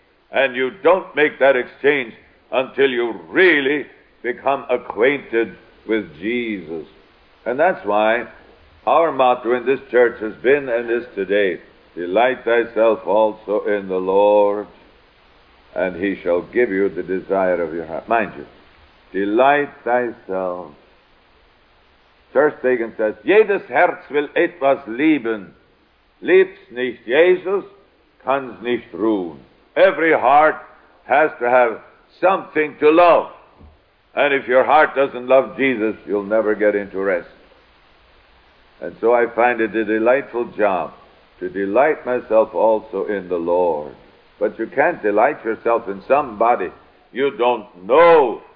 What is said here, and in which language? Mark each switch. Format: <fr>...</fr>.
<en>And you don't make that exchange until you really become acquainted with Jesus. And that's why our motto in this church has been and is today, delight thyself also in the Lord, and he shall give you the desire of your heart. Mind you, delight thyself.</en> <de>Sir Stegen says, jedes Herz will etwas lieben. Liebt's nicht Jesus, kann's nicht ruhen.</de> <en>Every heart has to have something to love. And if your heart doesn't love Jesus, you'll never get into rest. And so I find it a delightful job to delight myself also in the Lord. But you can't delight yourself in somebody you don't know.</en>